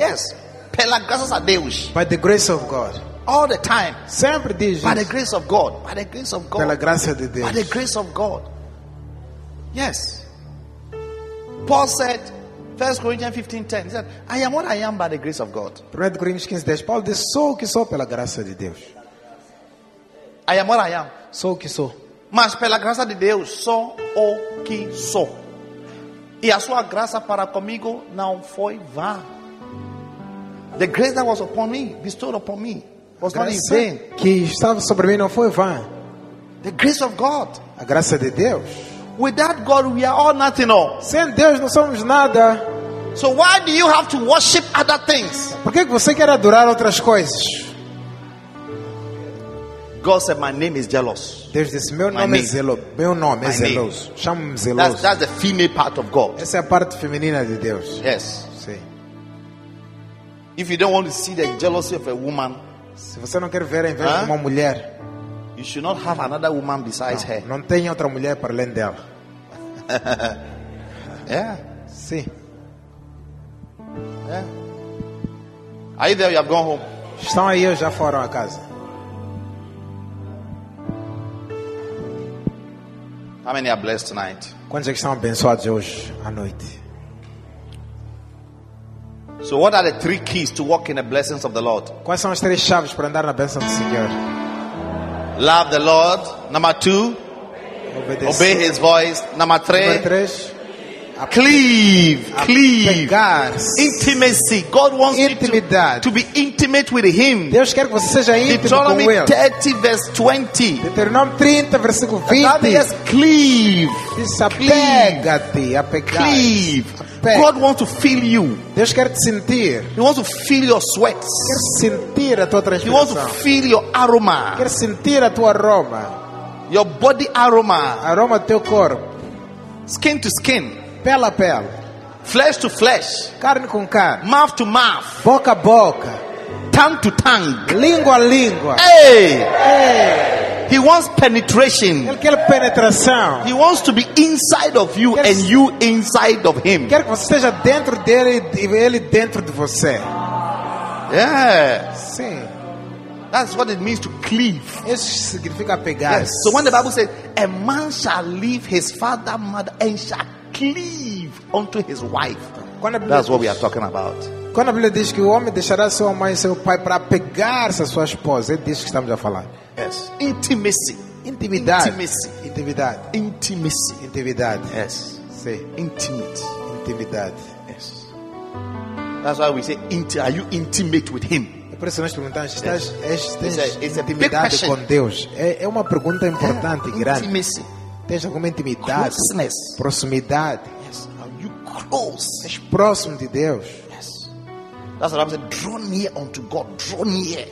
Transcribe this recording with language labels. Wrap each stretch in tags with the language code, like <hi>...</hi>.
<pt>Yes. Pela graças a Deus.</pt> <en>By the grace of God. All the time.</en> <pt>Sempre diz.</pt> <en>By the grace of God. By the grace of God.</en> <pt>Pela graça de Deus.</pt> <en>By the grace of God. Yes. Paul said, 1 Corinthians 15:10, he said, "I am what I am by the grace of God."</en> <pt>1 Corinthians 15:10, Paul disse, "Sou o que sou pela graça de Deus."</pt> <en>I am what I am.</en> <pt>Sou o que sou. Mas pela graça de Deus, sou o que sou. E a sua graça para comigo não foi vã.</pt> <en>The grace that was upon me, bestowed upon me, was</en> <pt>graça</pt> <en>not in vain.</en> <pt>Que estava sobre mim não foi vã.</pt> <en>The grace of God.</en> <pt>A graça de Deus.</pt> <en>Without God, we are all nothing. All.</en> <pt>Sem Deus, não somos nada.</pt> <en>So why do you have to worship other things?</en> <pt>Por que você quer adorar outras coisas?</pt> <en>God said, "My name is jealous."</en> <pt>Deus disse, "Meu nome é zeloso." Meu nome é zeloso. Chamo-me zeloso.</pt> <en>That's the female part of God.</en> <pt>Essa é a parte feminina de Deus.</pt> <en>Yes.</en> <pt>Sim.</pt> <en>If you don't want to see the jealousy of a woman,</en> <pt>se você não quer ver a inveja de uma mulher,</pt> <en>you should not have another woman besides her.</en> <pt>Não tenha outra mulher para além dela.</pt> <en>Yeah.</en> <pt>Sim.</pt> <en>Yeah. Are you there? You have gone home.</en> <pt>Estão aí ou já foram a casa?</pt> <en>How many are blessed tonight?</en> <pt>Quantos é que estão abençoados hoje à noite?</pt> <en>So what are the three keys to walk in the blessings of the Lord?</en> <pt>Quais são as três chaves para andar na bênção do Senhor?</pt> <en>Love the Lord. Number two.</en> <pt>Obedecer.</pt> <en>Obey His voice. Number three.</en> <pt>Número três.</pt> <en>Cleave. Intimacy. God wants</en> <pt>intimidade.</pt> <en>You to be intimate with Him.</en> <pt>Deus quer que você seja íntimo</pt> <en>Deuteronomy</en> <pt>com Ele.</pt> <en>Deuteronomy 30:20.</en> <pt>Deuteronomy 30, versículo 20.</pt> <en>Yes, cleave.</en> <pt>Apega-te.</pt> <en>Cleave. God wants to feel you.</en> <pt>Deus quer te sentir.</pt> <en>He wants to feel your sweats.</en> <pt>Quer sentir a tua transpiração.</pt> <en>He wants to feel your aroma.</en> <pt>Quer sentir a tua aroma.</pt> <en>Your body aroma.</en> <pt>Aroma do teu corpo.</pt> <en>Skin to skin.</en> <pt>Pele a pele.</pt> <en>Flesh to flesh.</en> <pt>Carne com carne.</pt> <en>Mouth to mouth.</en> <pt>Boca a boca.</pt> <en>Tongue to tongue.</en> <pt>Língua a língua. Hey! Hey!</pt> <en>He wants penetration.</en> <pt>Ele quer penetração.</pt> <en>He wants to be inside of you and you inside of him.</en> <pt>Quer que você esteja dentro dele e ele dentro de você.</pt> <en>Yeah.</en> <pt>Sim.</pt> <en>That's what it means to cleave.</en> <pt>Isso significa pegar.</pt> <en>Yes. So when the Bible says, "A man shall leave his father, mother, and shall cleave unto his wife." That's what we are talking about.</en> <pt>Quando a Bíblia diz que o homem deixará sua mãe e seu pai para pegar-se a sua esposa, é disso que estamos a falar.</pt> <en>Yes. Intimacy.</en> <pt>Intimidade.</pt> <en>Intimacy.</en> <pt>Intimidade.</pt> <en>Intimacy.</en> <pt>Intimidade.</pt> <en>Yes. Say. Intimate.</en> <pt>Intimidade.</pt> <en>Yes. That's why we say, "Are you intimate with him?"</en> <pt>É por isso que nós perguntamos, estás intimidade com Deus? É uma pergunta importante, grande.</pt> <en>Intimacy.</en> <pt>tens alguma intimidade,</pt> <en>closeness,</en> <pt>proximidade.</pt> <en>Yes. Are you close?</en> <pt>És próximo de Deus.</pt> <en>Yes. That's what I'm saying. Draw near unto God. Draw near.</en>